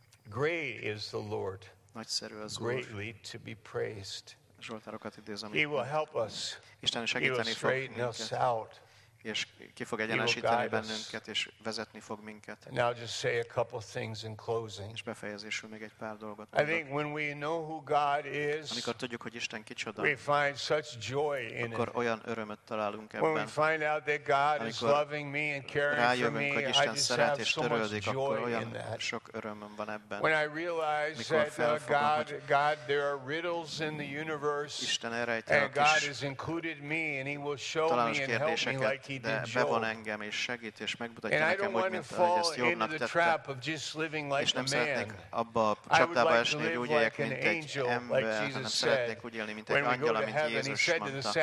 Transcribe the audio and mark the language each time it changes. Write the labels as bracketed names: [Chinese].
[English] Great is the Lord. [Hungarian] Nagyszerű az [English] Úr. Greatly to be praised. [Hungarian] Zsoltárokat idéz, [English] He will help us. [Hungarian] Isten segíteni fog minket. És ki fog egyenesíteni bennünket, és vezetni fog minket. [English] Now just say a couple things in closing. [Hungarian] És befejezésül még egy pár dolgot mondok. [English] I think when we know who God is, [Hungarian] amikor tudjuk, hogy Isten kicsoda, [English] we find such joy in [Hungarian] akkor olyan örömet találunk ebben. [English] When we find out that God is loving me and caring for me, [Hungarian] hogy Isten szeret és törődik, akkor olyan sok örömöm van ebben. [English] When I realize that God, there are riddles in the universe, [Hungarian] Isten elrejti a kis kérdéseket, de bevon engem és segít és megmutatja nekem, hogy mint ahogy ezt Jobbnak tette, és nem szeretnék abba a csapdába esni, hogy úgy éljek, mint egy ember, hanem szeretnék úgy élni, mint egy angyal, amit Jézus mondta.